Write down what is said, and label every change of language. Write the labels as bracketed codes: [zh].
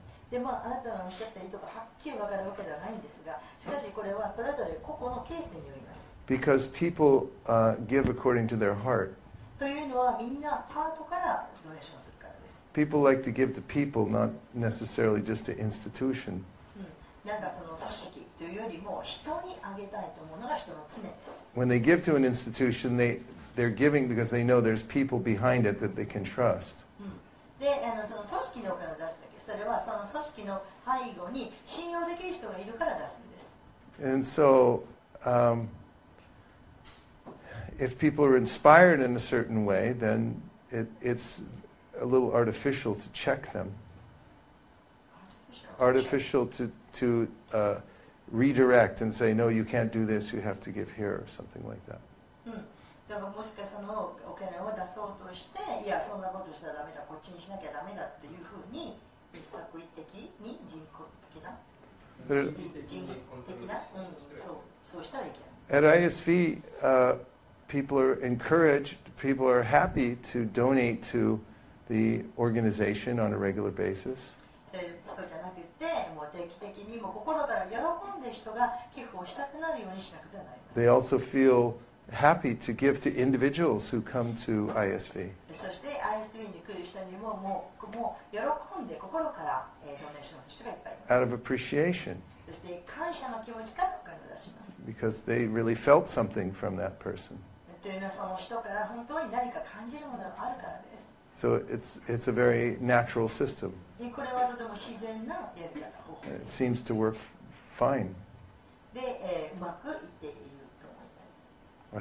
[ja] でまあ、あなたのおっしゃった意図がはっきり分かるわけではないんですが、しかしこれはそれぞれ個々のケースによります。 [en] Because people, give according to their heart. [ja] というのはみんなハートからドネーションするからです。 [en] People like to give to people, not necessarily just to institution. [ja] なんかその組織というよりも人にあげたいと思うのが人の常です。 [en] When they give to an institution, they're giving because they know there's people behind it that they can trust. [ja] で、あのその組織のお金を出すだけ。それはその組織の背後に信用できる人がいるから出すんです。 [en] And so, if people are inspired in a certain way, then it's a little artificial to check them. Artificial to redirect and say, no, you can't do this, you have to give here, or something like that. [ja] だからもしかそのお金を出そうとして、いや、そんなことしたらダメだ、こっちにしなきゃダメだっていうふうに、一作為的に人工的な、そうしたらいけない。 [en] At ISV, people are encouraged, people are happy to donate to the organization on a regular basis. [ja] そうじゃなくて、もう定期的にも心から喜んで人が寄付をしたくなるようにしなくてはなります。 [en] They also feel happy to give to individuals who come to ISV. [ja] そして ISV に来る人にも、もう喜んで心から、ドネーションする人がいっぱいいます。 [en] Out of appreciation. [ja] そして感謝の気持ちからお金を出します。 [en] Because they really felt something from that person. [ja] というのはその人から本当に何か感じるものがあるからです。 [en] So it's a very natural system. [ja] でこれはとても自然なやり方。 [en] It seems to work fine. [ja] で、うまくいっていると思います。